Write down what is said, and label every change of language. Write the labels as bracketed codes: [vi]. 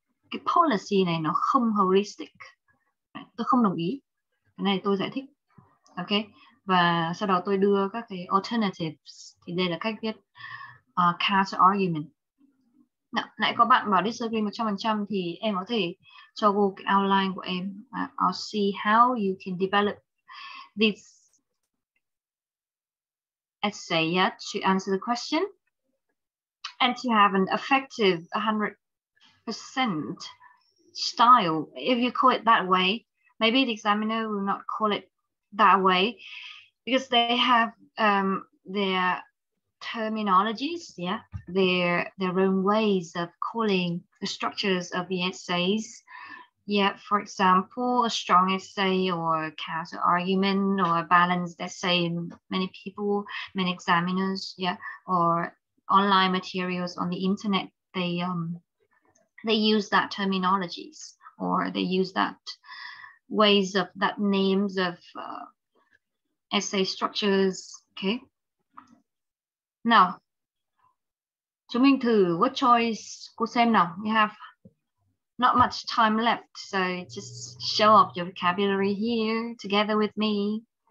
[vi] Cái policy này nó không holistic. Tôi không đồng ý. Cái này tôi giải thích. Ok. Và sau đó tôi đưa các cái alternatives. Thì đây là cách viết counter argument. Nãy có bạn bảo [en] disagree 100% [vi] thì em có thể cho cô cái outline của em. [en] I'll see how you can develop this essay, yeah, to answer the question and to have an effective 100% style. If you call it that way, maybe the examiner will not call it that way because they have their terminologies, yeah, their own ways of calling the structures of the essays. Yeah, for example, a strong essay or counter argument or a balanced essay. Many people, many examiners, yeah, or online materials on the internet, they use that terminologies or they use that ways of that names of essay structures. Okay. [vi] Now, chúng mình thử word choice, cô xem nào. [en] We have not much time left, so just show up your vocabulary here together with me.